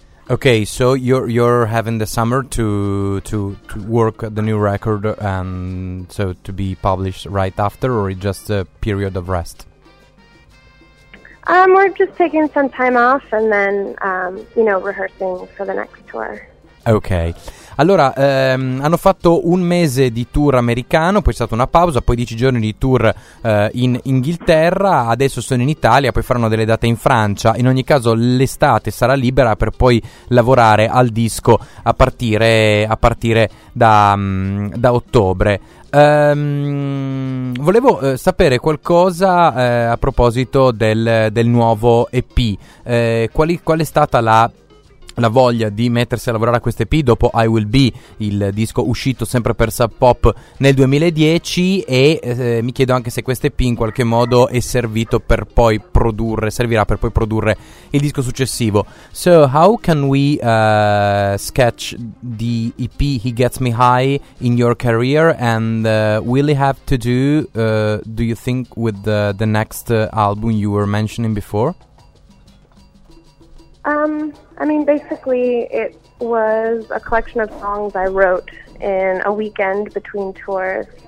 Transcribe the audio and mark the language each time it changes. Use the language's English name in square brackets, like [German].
[English] Okay, so you're having the summer to work the new record and so to be published right after, or just a period of rest? We're just taking some time off and then, you know, rehearsing for the next tour. Okay. [Italian] Allora, hanno fatto un mese di tour americano, poi è stata una pausa, poi 10 giorni di tour in Inghilterra, adesso sono in Italia, poi faranno delle date in Francia. In ogni caso l'estate sarà libera per poi lavorare al disco a partire da ottobre. Volevo sapere qualcosa a proposito del nuovo EP. Qual è stata la voglia di mettersi a lavorare a questo EP dopo I Will Be, il disco uscito sempre per Sub Pop nel 2010, e mi chiedo anche se questo EP in qualche modo è servito per poi produrre, servirà per poi produrre il disco successivo. [English] So how can we sketch the EP He Gets Me High in your career and will it have to do you think with the next album you were mentioning before? I mean, basically, it was a collection of songs I wrote in a weekend between tours.